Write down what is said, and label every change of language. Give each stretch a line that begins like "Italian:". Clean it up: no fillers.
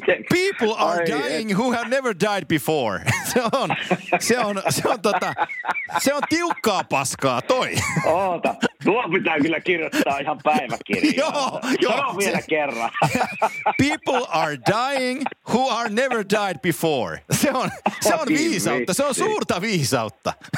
English: People are dying who have never died before.
Finnish: Se on tiukkaa paskaa toi. Oota, tuo pitää kyllä kirjoittaa ihan päiväkirjaan. Joo, sano vielä kerran.
English: People are dying who are never died before.
Finnish: Se on viisautta, se on suurta viisautta.